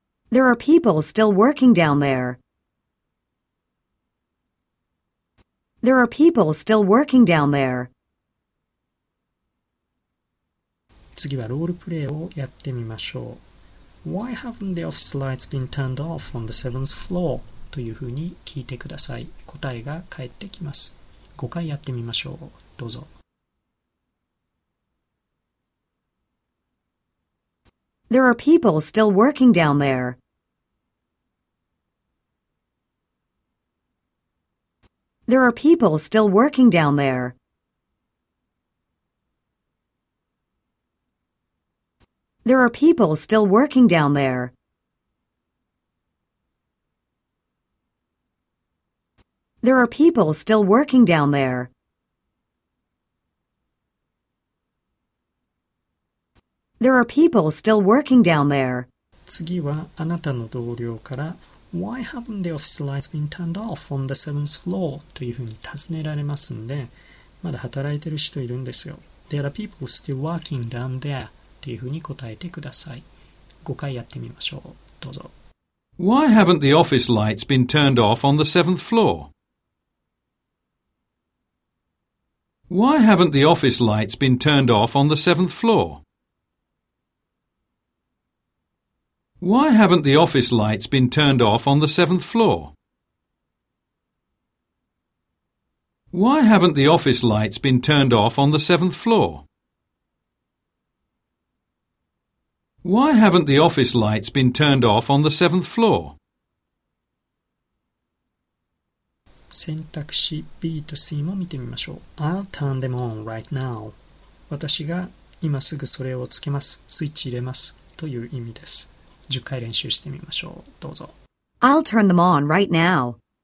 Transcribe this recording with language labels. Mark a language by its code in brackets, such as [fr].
[en] There are people still working down there. There are people still working down there. [ja] 次はロールプレイをやってみましょう。 [en] Why haven't the office lights been turned off on the 7th floor? [ja] というふうに聞いてください。答えが返ってきます。5回やってみましょう。どうぞ。 [en] There are people still working down there. There are people still working down there. There are people still working down there. There are people still working down there. There are people still working down there. [ja] 次はあなたの同僚から [en] Why haven't the office lights been turned off on the 7th floor? [ja] というふうに尋ねられますんで、まだ働いてる人いるんですよ。 [en] There are people still working down there. [ja] というふうに答えてください。 5回やってみましょう。どうぞ。 [en] Why haven't the office lights been turned off on the 7th floor? Why haven't the office lights been turned off on the 7th floor? Why haven't the office lights been turned off on the 7th floor? Why haven't the office lights been turned off on the 7th floor? Why haven't the office lights been turned off on the 7th floor? [ja] 選択肢 B と C も見てみましょう。 [en] I'll turn them on right now. [ja] 私が今すぐそれをつけます。スイッチ入れます。という意味です。 10回練習してみましょう。どうぞ。 [en] I'll turn them on right now.